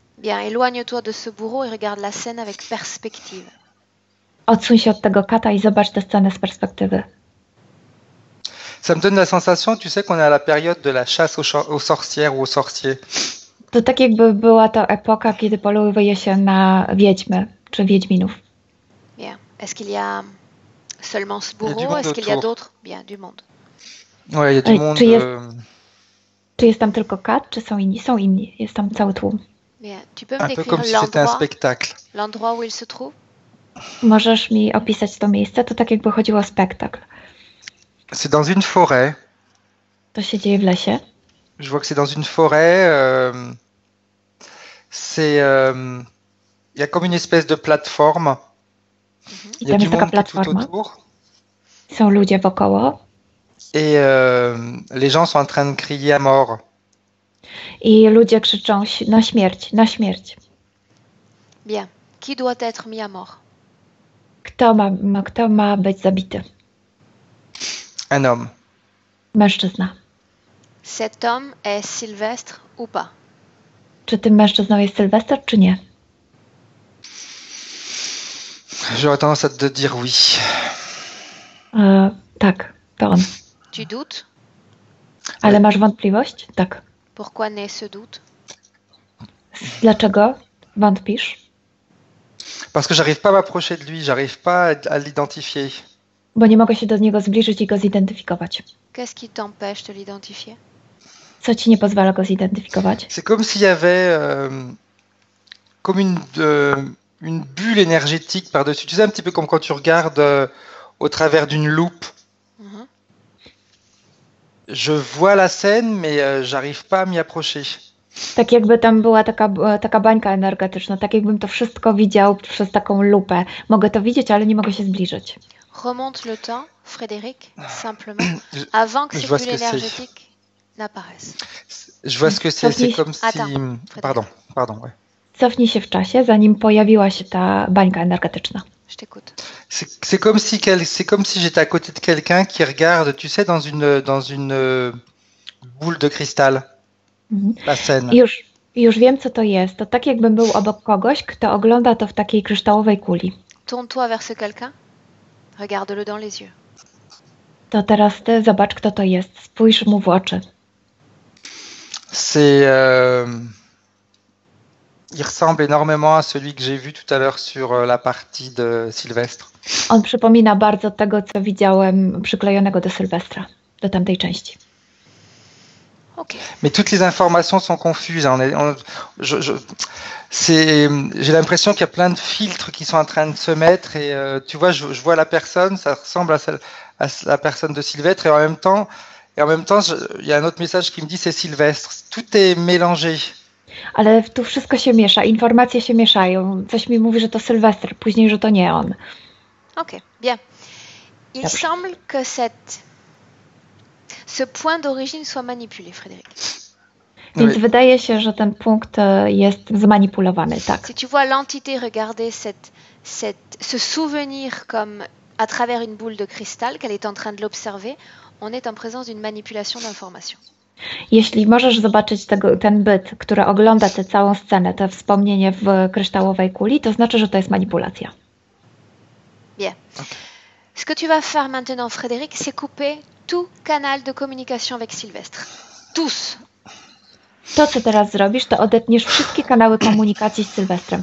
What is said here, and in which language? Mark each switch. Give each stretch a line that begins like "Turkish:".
French: Bien, éloigne-toi de ce bourreau et regarde la scène avec perspective.
Polish: Odsuń się od tego kata i zobacz tę scenę z perspektywy.
French: Ça me donne la sensation, tu sais, qu'on est à la période de la chasse aux sorcières ou aux sorciers.
Polish: To tak jakby była to epoka, kiedy polowuje się na wiedźmy, czy wiedźminów.
French: Bien. Est-ce qu'il y a seulement ce bourreau? Est-ce qu'il y a d'autres? Bien, du monde. Ouais, il y a du monde.
Polish: Czy jest tam tylko kat, czy są inni? Są inni, jest tam cały tłum.
French: Bien. Tu peux me décrire l'endroit, l'endroit où il se trouve?
Polish: Możesz mi opisać to miejsce? To tak jakby chodziło o spektakl.
French: C'est dans une forêt.
Polish: To się dzieje w lesie.
French: Je vois que c'est dans une forêt. C'est, il y a comme une espèce de plateforme. Il y a du monde tout autour.
Polish: Sont ludzie wokoło.
French: Et les gens sont en train de crier à mort.
Polish: I ludzie krzyczą na śmierć, na śmierć.
French: Bien. Qui doit être mis à mort?
Polish: Kto ma być zabity?
French: Un homme.
Polish: Mężczyzna.
French: Cet homme est Sylvestre ou pas?
Polish: Czy tym mężczyzną jest Sylwester, czy nie?
French: J'aurais tendance à te dire oui.
Polish: Tak,
French: pardon. Tu doutes?
Polish: Ale masz wątpliwość? Tak.
French: Pourquoi naît ce doute?
Polish: Dlaczego wątpisz?
French: Parce que j'arrive pas à m'approcher de lui, j'arrive pas à l'identifier.
Polish: Bo nie mogę się do niego zbliżyć i go zidentyfikować.
French: Qu'est-ce qui t'empêche de l'identifier?
Polish: Co ci nie pozwala go zidentyfikować?
French: C'est comme s'il y avait comme une bulle énergétique par-dessus. Tu sais, un petit peu comme quand tu regardes au travers d'une loupe. Je vois la scène, mais j'arrive pas à m'y approcher.
Polish: Tak jakby tam była taka bańka energetyczna, tak jakbym to wszystko widział przez taką lupę. Mogę to widzieć, ale nie mogę się zbliżyć.
French: Remonte le temps, Frédéric, simplement, avant que ces bulles énergétiques n'apparaissent. Je vois ce que c'est, c'est comme si... Pardon, ouais.
Polish: Cofnij się w czasie, zanim pojawiła się ta bańka energetyczna.
French: Je t'écoute. C'est comme si j'étais à côté de quelqu'un qui regarde, tu sais, dans une boule de cristal. La scène.
Polish: Już wiem, co to jest. To tak, jakbym był obok kogoś, kto ogląda to w takiej kryształowej kuli.
French: Tourne-toi vers quelqu'un. Regarde-le dans les yeux.
Polish: To teraz ty zobacz, kto to jest. Spójrz mu w oczy.
French: C'est... Il ressemble énormément à celui que j'ai vu tout à l'heure sur la partie de Sylvestre.
Polish: On przypomina bardzo tego, co widziałem przyklejonego do Sylwestra, do tamtej części. Okay.
French: Mais toutes les informations sont confuses. J'ai l'impression qu'il y a plein de filtres qui sont en train de se mettre. Et tu vois, je vois la personne, ça ressemble à la personne de Sylvestre. Et en même temps, il y a un autre message qui me dit c'est Sylvestre. Tout est mélangé.
Polish: Ale tu wszystko się miesza, informacje się mieszają. Coś mi mówi, że to Sylwester, później, że to nie on.
French: Okay, bien. Il
Polish: Dobrze.
French: Semble que ce point d'origine soit manipulé, Frédéric.
Polish: Więc
French: oui.
Polish: Wydaje się, że ten punkt jest zmanipulowany, tak.
French: Si tu vois l'entité regarder ce souvenir comme à travers une boule de cristal, qu'elle est en train de l'observer, on est en présence d'une manipulation d'information.
Polish: Jeśli możesz zobaczyć ten byt, który ogląda tę całą scenę, to wspomnienie w kryształowej kuli, to znaczy, że to jest manipulacja.
French: Bien. Okay. Ce que tu vas faire maintenant, Frédéric, c'est couper tout canal de communication avec Sylvestre. Tous.
Polish: To, co teraz zrobisz, to odetniesz wszystkie kanały komunikacji z Sylwestrem.